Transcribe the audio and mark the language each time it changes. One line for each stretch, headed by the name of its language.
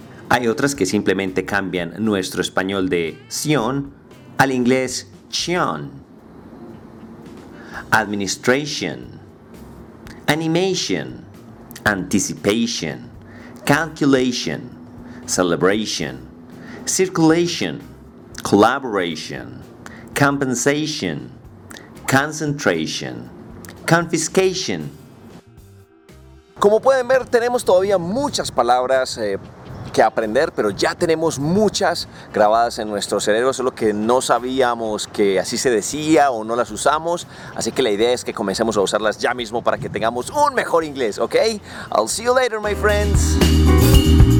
Spanish: Hay otras que simplemente cambian nuestro español de sion al inglés chion.
English: Administration, animation, anticipation, calculation, celebration, circulation, collaboration, compensation, concentration, confiscation.
Spanish: Como pueden ver, tenemos todavía muchas palabras que aprender, pero ya tenemos muchas grabadas en nuestro cerebro, solo que no sabíamos que así se decía o no las usamos. Así que la idea es que comencemos a usarlas ya mismo para que tengamos un mejor inglés, ¿ok?
English: I'll see you later, my friends.